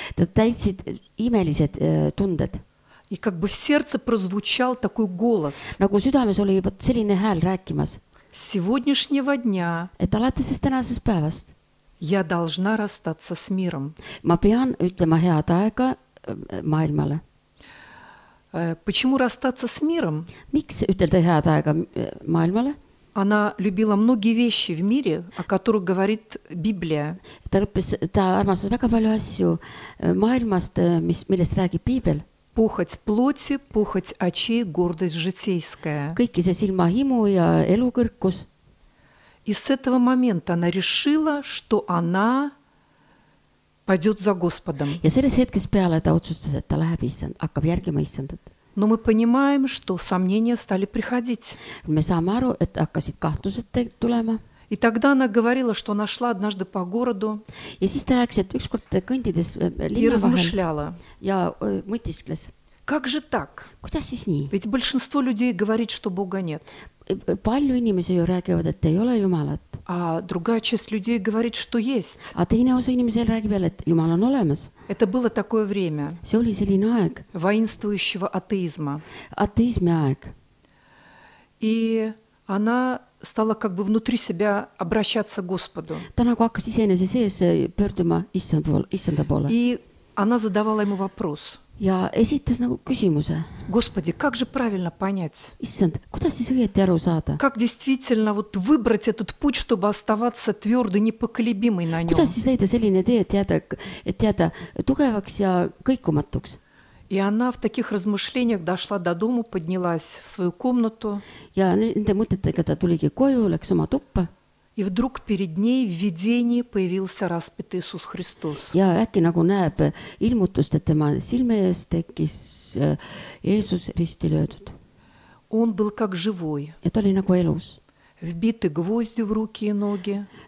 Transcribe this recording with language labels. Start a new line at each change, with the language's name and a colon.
Estonian: Ta täitsid imelised tunded.
Russian: И как бы в сердце прозвучал такой голос.
Estonian: Nagu südames oli vot selline hääl rääkimas.
Russian: С сегодняшнего дня.
Estonian: Et alates tänasest päevast.
Russian: Я должна расстаться с миром.
Estonian: Ma pean ütlema head aega maailmale.
Russian: Почему расстаться с миром?
Estonian: Miks ütelda head aega maailmale?
Russian: Она любила многие вещи в мире, о которых говорит Библия.
Estonian: Ta õppis, ta armastas väga palju asju maailmast, millest räägib Piibel.
Russian: Похоть плоти, похоть очей, гордость житейская.
Estonian: Kõiki see silma himu ja elukõrkus.
Russian: И с этого момента она решила, что она пойдет за Господом.
Estonian: Ja selles hetkes peale ta otsustas, et ta läheb issand, hakkab järgima issandat.
Russian: Но мы понимаем, что сомнения стали приходить.
Estonian: Me saame aru, et hakkasid kahtused tulema.
Russian: И тогда она говорила, что она шла однажды по городу.
Estonian: Ja siis ta rääkis, et ükskord kõndides linna vahel.
Russian: И размышляла.
Estonian: Ja mõtiskles.
Russian: Как же так?
Estonian: Kuidas siis nii?
Russian: Ведь большинство людей говорит, что Бога нет.
Estonian: Palju inimesi ju räägivad, et ei ole Jumalat.
Russian: А другая часть людей говорит, что есть.
Estonian: А teine osa inimesel räägib jälle, et Jumal on olemas.
Russian: Это было такое время.
Estonian: See oli selline aeg.
Russian: Воинствующего атеизма.
Estonian: Атеизме aeg.
Russian: И она стала как бы внутри себя обращаться к Господу.
Estonian: Ta nagu hakkas iseenese sees pöörduma issanda poole.
Russian: И она задавала ему вопрос.
Estonian: Ja esitas nagu küsimuse.
Russian: Господи, как же правильно понять?
Estonian: Issand, kuidas siis õieti aru saada?
Russian: Как действительно вот выбрать этот путь, чтобы оставаться твёрдой, непоколебимой на нём?
Estonian: Kuidas siis leida selline tee, et jääda tugevaks ja kõikumatuks?
Russian: И она в таких размышлениях дошла до дому, поднялась в свою комнату.
Estonian: Ja nende mõtetega ta tuligi koju, läks oma tuppa.
Russian: И вдруг перед ней в видении появился распятый Иисус Христос.
Estonian: Ja äkki nagu näeb ilmutust, et tema silme ees tekis Jeesus risti löödud.
Russian: Он был как живой.
Estonian: Ja ta oli nagu elus.
Russian: Вбиты гвозди в руки и ноги.